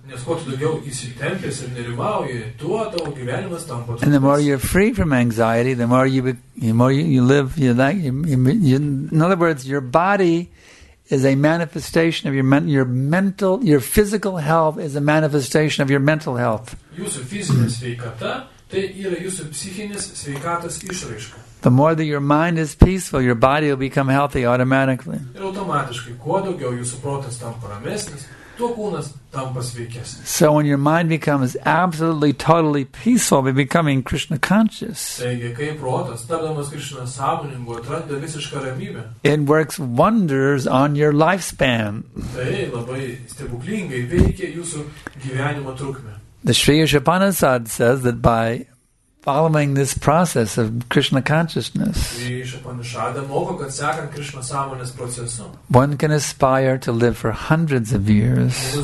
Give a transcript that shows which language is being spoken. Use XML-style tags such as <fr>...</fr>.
<en>And the more you're free from anxiety, the more you live. In other words, your body is a manifestation of your mental, your physical health is a manifestation of your mental health.</en> <lt>Jūsų fizinė sveikata, tai yra jūsų psichinės sveikatos išraiška.</lt> <en>The more that your mind is peaceful, your body will become healthy automatically.</en> <lt>Ir automatiškai, kuo daugiau jūsų protas tampa ramesnis, tuo kūnas tampa sveikesnis.</lt> <en>So when your mind becomes absolutely, totally peaceful by becoming Krishna conscious,</en> <lt>taigi, kai protas, tapdamas Krishna sąmoningu, atranda visišką ramybę,</lt> <en>it works wonders on your lifespan.</en> <lt>Tai labai stebuklingai veikia jūsų gyvenimo trukmę.</lt> <en>The Sri Upanishad says that by following this process of Krishna consciousness, one can aspire to live for hundreds of years.</en>